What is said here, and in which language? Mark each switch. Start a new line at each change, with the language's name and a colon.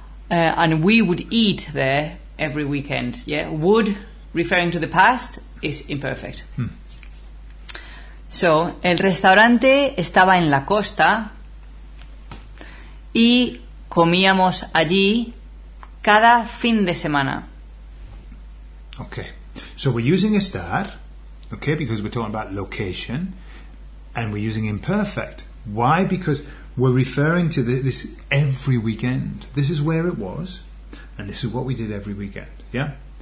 English: And we would eat there every weekend. Yeah, would, referring to the past, is imperfect. Hmm.
Spanish: So, el restaurante estaba en la costa y comíamos allí cada fin de semana.
English: Okay, so we're using estar, okay, because we're talking about location, and we're using imperfect. Why? Because we're referring to this every weekend. This is where it was, and this is what we did every weekend, yeah?